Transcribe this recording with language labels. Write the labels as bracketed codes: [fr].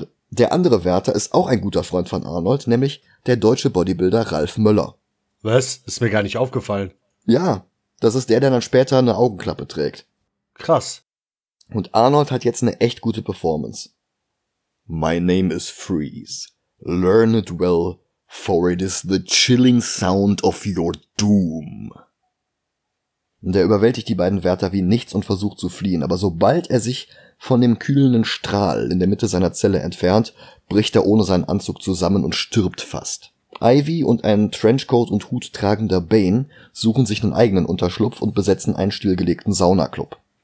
[de] Der andere Wärter ist auch ein guter Freund von Arnold, nämlich der deutsche Bodybuilder Ralf Möller. Was? Ist mir gar nicht aufgefallen. Ja, das ist der, der dann später eine Augenklappe trägt. Krass. Und Arnold hat jetzt eine echt gute Performance. [en] My name is Freeze. Learn it well, for it is the chilling sound of your doom. [de] Und er überwältigt die beiden Wärter wie nichts und versucht zu fliehen, aber sobald er sich von dem kühlenden Strahl in der Mitte seiner Zelle entfernt, bricht er ohne seinen Anzug zusammen und stirbt fast. Ivy und ein Trenchcoat und Hut tragender Bane suchen sich einen eigenen Unterschlupf und besetzen einen stillgelegten Saunaclub.